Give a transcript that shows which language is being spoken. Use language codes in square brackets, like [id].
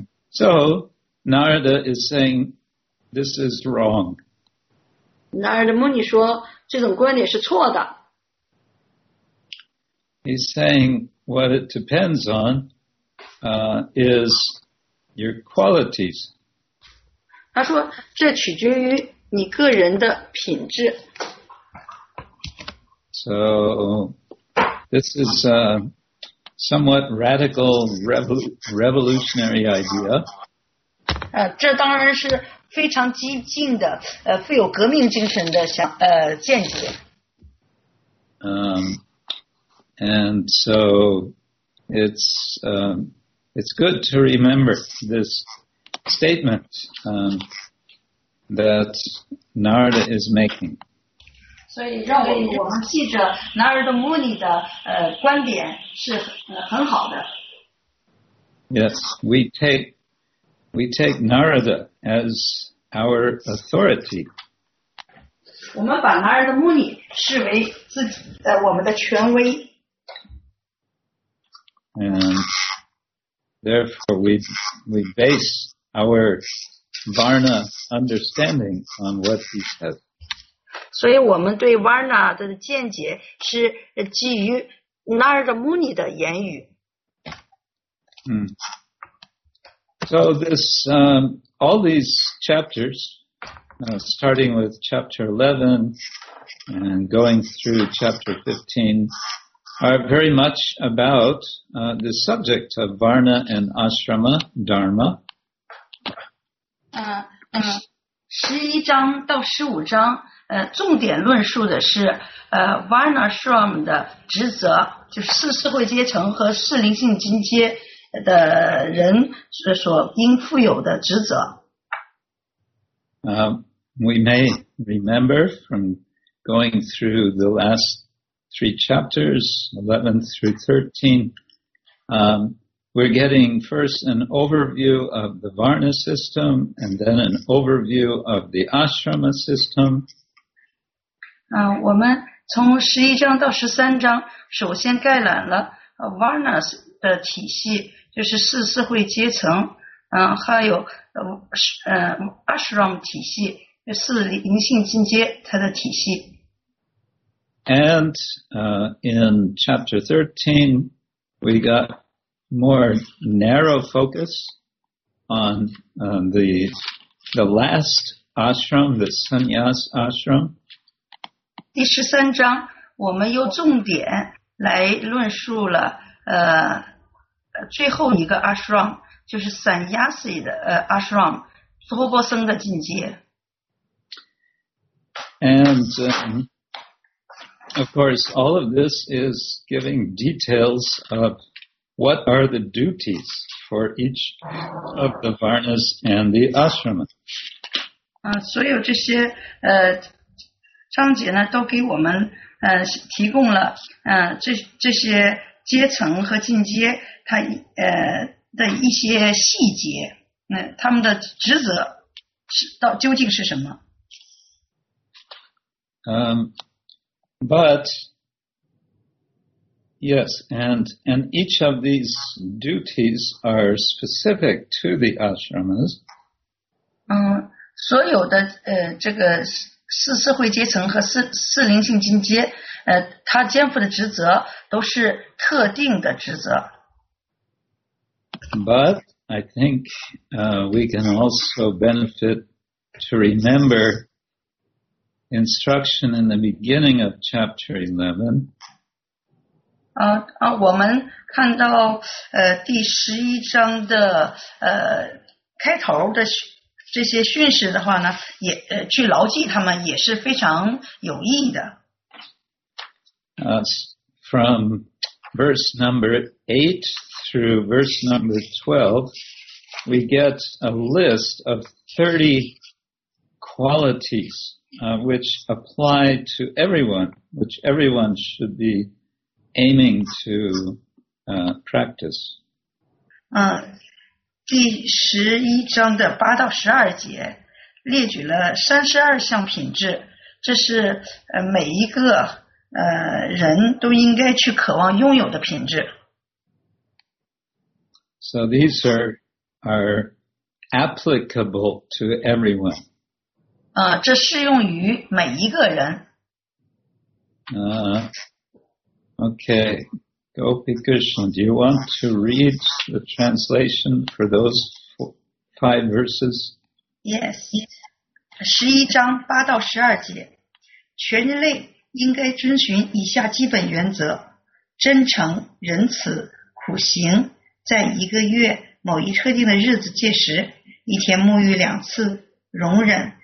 [en] So, Narada is saying, this is wrong. [zh] Narada Muni 说，这种观点是错的。 [en] He's saying, what it depends on,is your qualities. [zh] 他说这取决于你个人的品质。 [en] So this is a somewhat radical revolutionary idea. [zh] 这当然是非常激进的富有革命精神的见解。 [en] And so it'sIt's good to remember this statement that Narada is making. [zh] 所以让我们记着 Narada Muni 的观点是很好的。 [en] Yes, we take Narada as our authority. [zh] 我们把 Narada Muni 视为我们的权威。 [en] Therefore, we base our Varna understanding on what he says. [zh] 所以我们对 Varna 的见解是基于 Narada Muni 的言语。 [en] So this, all these chapters, starting with chapter 11 and going through chapter 15,are very much about the subject of Varna and Ashrama Dharma. [zh] 11章到15章重点论述的是Varna Ashrama 的职责，就是四社会阶层和四灵性境界的人所应负有的职责。 [en] We may remember from going through the last three chapters, 11 through 13, we're getting first an overview of the Varna system and then an overview of the Ashrama system. [zh] 我们从11章到13章首先概览了 Varnas 的体系，就是四社会阶层，还有Ashram 体系，四灵性进阶它的体系。 [en] And in chapter 13, we got more narrow focus on the last ashram, the sannyas ashram. [zh] 第十三章，我们又重点来论述了最后一个 ashram， 就是 sannyasi 的ashram， 娑婆僧的境界。 [en] And of course, all of this is giving details of what are the duties for each of the varnas and the ashrama. [zh] 所有这些章节呢，都给我们提供了这些阶层和进阶它的一些细节，他们的职责究竟是什么。 [en] But yes, and each of these duties are specific to the ashramas. [zh] 所有的这个四社会阶层和四灵性进阶，他肩负的职责都是特定的职责。 [en] But I think we can also benefit to remember instruction in the beginning of chapter 11. [zh] 我们看到第十一章的开头的这些训示的话呢，也去牢记他们也是非常有益的。 [en] From verse number 8 through verse number 12, we get a list of 30 qualities which apply to everyone, which everyone should be aiming to practice. [zh] 第十一章的八到十二节列举了32项品质，这是每一个人都应该去渴望拥有的品质。 [en] So these are applicable to everyone. [zh] 这适用于每一个人。 [en] Okay, Gopi Krishna, do you want to read the translation for those five verses? Yes. [zh] 十一章八到十二节，全人类应该遵循以下基本原则：真诚、仁慈、苦行，在一个月某一特定的日子届时，一天沐浴两次，容忍。